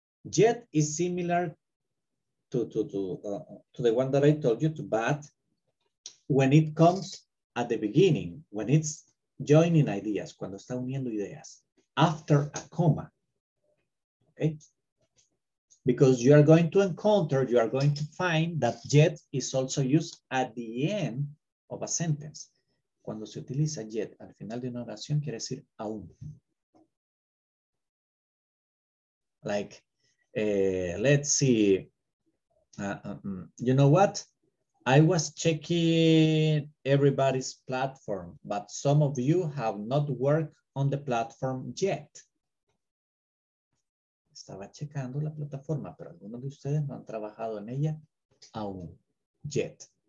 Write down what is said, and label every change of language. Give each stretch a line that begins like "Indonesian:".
English: Yet is similar to the one that I told you, to but, when it comes at the beginning, when it's joining ideas,
Spanish: cuando está uniendo ideas,
English: after a comma, okay? Because you are going to encounter, you are going to find that yet is also used at the end of a sentence.
Spanish: Cuando se utiliza yet al final de una oración, quiere decir aún.
English: Like, let's see. You know what? I was checking everybody's platform, but some of you have not worked on the platform yet.
Spanish: Estaba checando la plataforma, pero algunos de ustedes no han trabajado en ella aún, yet.